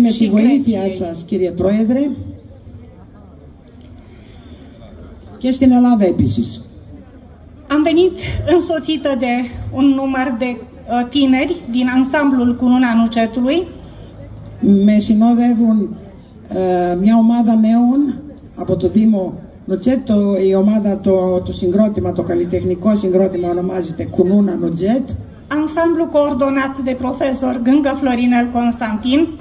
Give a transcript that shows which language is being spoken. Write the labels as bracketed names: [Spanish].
[Greek] με τη βοήθεια σας, κύριε Πρόεδρε, και στην Ελλάδα επίσης. [Romanian] Am venit însoțită de un număr de tineri din ansamblul Cununa Nucetului. [Greek] Με συνοδεύουν μια ομάδα νέων από το Δήμο Nucet, η ομάδα, το συγκρότημα, το καλλιτεχνικό συγκρότημα ονομάζεται Cununa Nucet. [Romanian] Ensemble coordonat de profesor Gângă Florinel Constantin.